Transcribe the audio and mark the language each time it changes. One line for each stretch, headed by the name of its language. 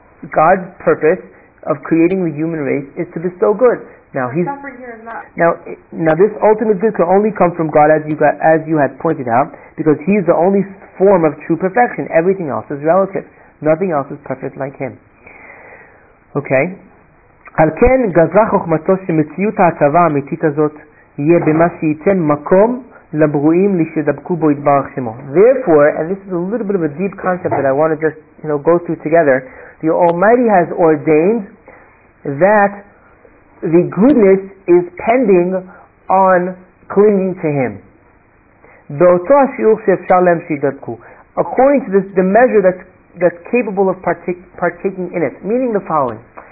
English: God's purpose of creating the human race is to bestow good. Now, He's suffering here is not. Now this ultimate good can only come from God, as you had pointed out, because He is the only form of true perfection. Everything else is relative. Nothing else is perfect like Him. Okay.
Hebrew: על כן גזרה חוכמתו שמציאות ההטבה האמיתית הזאת יהיה במה שייתן מקום לברואים לשדבקו בו יתברך שמו.
English: Therefore, and this is a little bit of a deep concept that I want to just, you know, go through together, the Almighty has ordained that the goodness is pending on clinging to him. According to this, the measure that's capable of partaking in it, meaning the following.